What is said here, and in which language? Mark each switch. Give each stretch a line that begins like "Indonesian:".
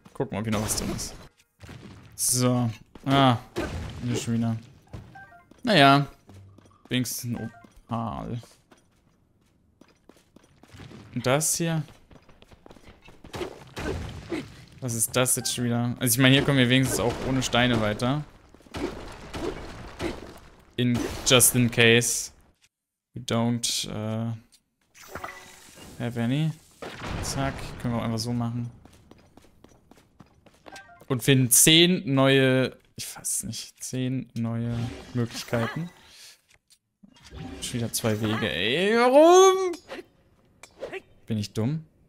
German: Gucken wir, ob hier noch was drin ist. So. Ah, eine Schwiener. Naja, wenigstens ein Opal. Und das hier? Was ist das jetzt schon wieder? Also ich meine, hier kommen wir wenigstens auch ohne Steine weiter.
English: In just in case we don't have any.
German: Zack, können wir auch einfach so machen. Und finden 10 neue... Ich weiß nicht. 10 neue Möglichkeiten. Schon wieder 2 Wege. Ey, warum? Bin ich dumm?